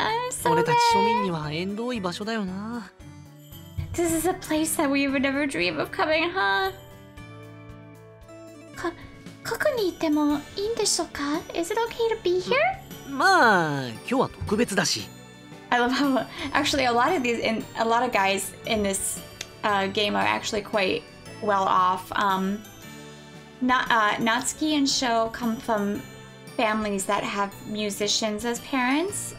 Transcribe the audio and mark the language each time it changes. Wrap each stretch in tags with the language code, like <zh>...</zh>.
<ja>So 俺たち庶民には縁遠い場所だよな。</ja> <en>This is a place that we would never dream of coming, huh?</en> <ja>ここにいてもいいんでしょうか?</ja> <en>Is it okay to be here?</en> <ja>まあ、今日は特別だし。</ja> <en>I love how actually a lot of guys in this game are actually quite well off. Natsuki and Sho come from families that have musicians as parents.</en>